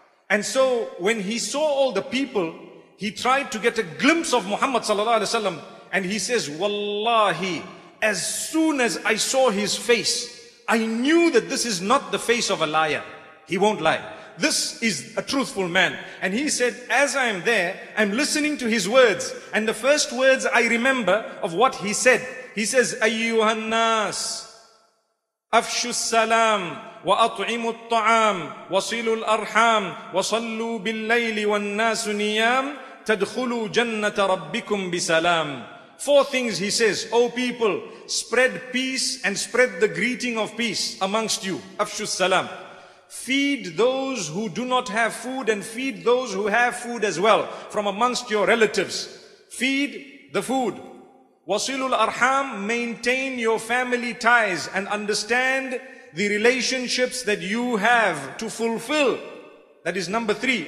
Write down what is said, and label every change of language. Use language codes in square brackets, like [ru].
[en] And so when he saw all the people, he tried to get a glimpse of Muhammad sallallahu alaihi wasallam, and he says, wallahi, as soon as I saw his face, I knew that this is not the face of a liar. He won't lie. This is a truthful man. And he said, as I am there, I'm listening to his words. And the first words I remember of what he said, he says, [ar] أَيُّهَا النَّاسِ أَفْشُ السَّلَامِ وَأَطْعِمُ الطَّعَامِ وَصِلُوا الْأَرْحَامِ وَصَلُّوا بِالْلَّيْلِ وَالنَّاسُ نِيَامِ تَدْخُلُوا جَنَّةَ رَبِّكُمْ بِسَلَامِ. [en] Four things he says, O people, spread peace and spread the greeting of peace amongst you. [ar] Afshu salam. [en] Feed those who do not have food and feed those who have food as well from amongst your relatives. Feed the food. [ar] Wasilul arham, [en] maintain your family ties and understand the relationships that you have to fulfill. That is number three.